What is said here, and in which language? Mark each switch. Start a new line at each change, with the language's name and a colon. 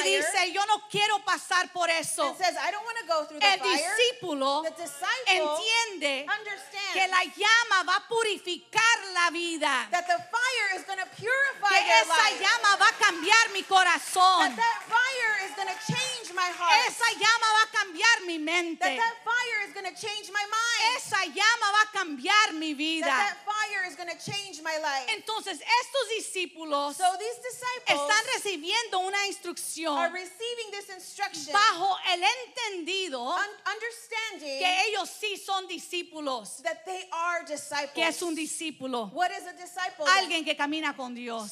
Spanish: y dice, yo no quiero pasar por eso.
English: Says, I don't want to go through the
Spanish: el
English: fire.
Spanish: Discípulo entiende que la llama va a purificar la vida.
English: That the fire is going to purify
Spanish: que esa
English: life.
Spanish: Llama va a cambiar mi corazón.
English: That fire is going to change my heart.
Spanish: Esa llama va a cambiar mi mente.
English: That fire is going to change my mind.
Spanish: Esa llama va a cambiar mi vida.
English: That fire is going to change my life.
Spanish: Entonces estos discípulos están recibiendo una instrucción bajo el entendido
English: understanding
Spanish: que ellos sí son discípulos.
English: That they are disciples.
Spanish: ¿Qué es un discípulo?
English: What is a disciple?
Spanish: Alguien que camina con Dios.